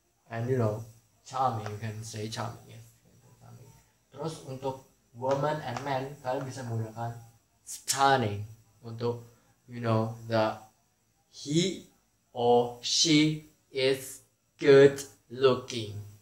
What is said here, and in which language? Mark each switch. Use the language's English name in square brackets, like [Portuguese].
[English] And you know, charming, you can say charming. Yes. [Indonesian] Terus untuk [English] woman and man, [Indonesian] kalian bisa menggunakan stunning. Untuk, [English] you know, the he or she is good looking.